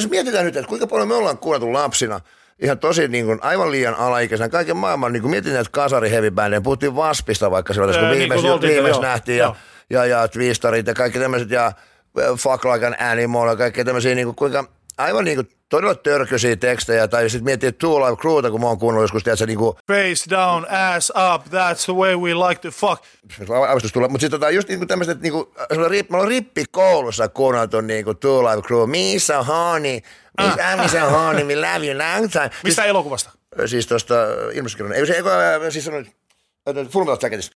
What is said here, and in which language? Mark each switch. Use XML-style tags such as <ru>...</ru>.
<fi>Niin, jos mietitään nyt, että kuinka paljon me ollaan kuunneltu lapsina, ihan tosi niin kuin, aivan liian alaikäisenä, kaiken maailman, niin kuin mietitään, että kasari heavy bandia, puhuttiin Waspista vaikka silloin, kun viimeis nähtiin, ja Twisterit ja kaikki tämmöiset, ja Fuck Like an Animal, ja kaikki tämmöisiä, niin kuin, kuinka aivan niin kuin, todella törkyisiä tekstejä, tai sitten miettii Two Live Crewta, kun mä oon kuunnellut joskus, tiedätkö, niin kuin...</fi> <en>Face down, ass up, that's the way we like to fuck.</en> <fi>Avistus tulla, mutta sitten just niin kuin tämmöistä, että niin kuin, mä oon rippikoulussa kuunneltu niin kuin Two Live Crew,</fi> <en>Missa Honey, Missa Missa Honey, we love you long time.</en> <fi>Mistä siis, elokuvasta? Siis tuosta ilmestyskirjan, ei se eko, siis sanoin, että Full Metal Jacketista.</fi>